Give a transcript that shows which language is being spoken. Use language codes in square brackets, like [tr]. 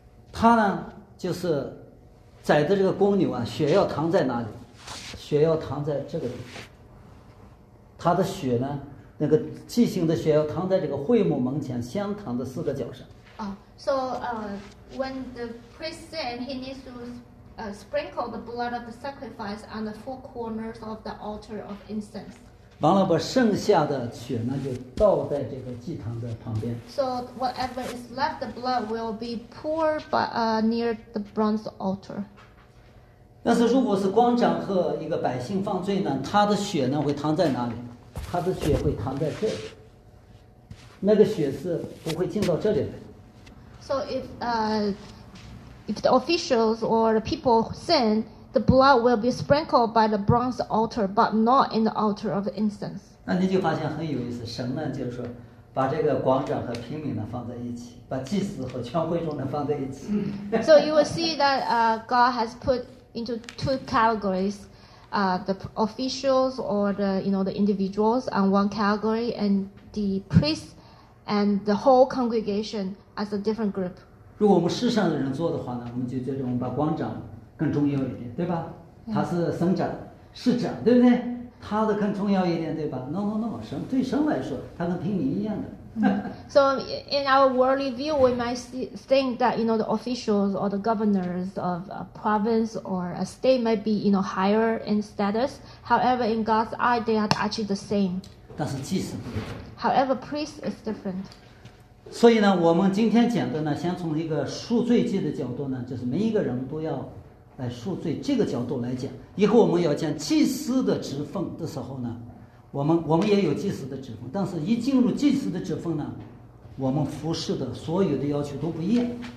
[zh] 他呢，就是宰的这个公牛啊，血要淌在哪里？血要淌在这个地方。他的血呢？那个祭牲的血要躺在这个会幕门前香堂的四个角上。 [en] When the priest sins, he needs to sprinkle the blood of the sacrifice on the four corners of the altar of incense. [zh] 完了把剩下的血呢就倒在这个祭坛的旁边。 [en] So whatever is left, the blood will be poured by, near the bronze altar. [zh] 但是如果是官长和一个百姓犯罪呢，他的血呢会躺在哪里？他的血会躺在这里，那个血是不会进到这里来。 [en] So if the officials or the people sin,the blood will be sprinkled by the bronze altar, but not in the altar of incense. [zh] 那你就发现很有意思，神呢就是说把这个官长和平民呢放在一起，把祭司和全会众呢放在一起。 [en] So you will see that God has put into two categories, the officials or the individuals on one category, and the priests and the whole congregation as a different group. [zh] 如果我们世上的人做的话呢，我们就觉得我们把官长更重要一点，对吧？他是省长、市长，对不对？他的更重要一点，对吧 ？ [en] No， [zh] 神对神来说，他跟平民一样的。 [en] So in our worldly view, we might think that the officials or the governors of a province or a state might be higher in status. However, in God's eye, they are actually the same. [zh] 但是祭司不一样。 [en] However, priest is different. [zh] 所以呢，我们今天讲的呢，先从一个赎罪祭的角度呢，就是每一个人都要来赎罪这个角度来讲。以后我们要讲祭司的职奉的时候呢，我们也有祭司的职奉，但是一进入祭司的职奉呢，我们服侍的所有的要求都不一样。